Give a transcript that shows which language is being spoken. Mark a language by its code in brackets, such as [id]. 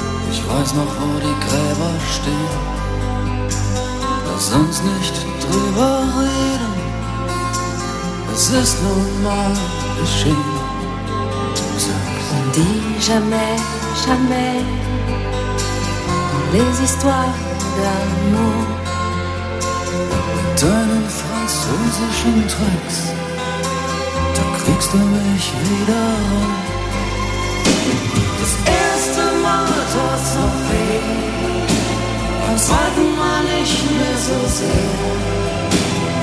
[de] Ich weiß noch, wo die Gräber stehen. Lass uns nicht drüber reden. Es ist nun mal geschehen. [fr] On dit jamais, jamais les histoires d'amour. [de] Mit deinen französischen Tricks, da kriegst du mich wieder rum. Das erste Mal tat so weh, beim zweiten Mal nicht mehr so sehr.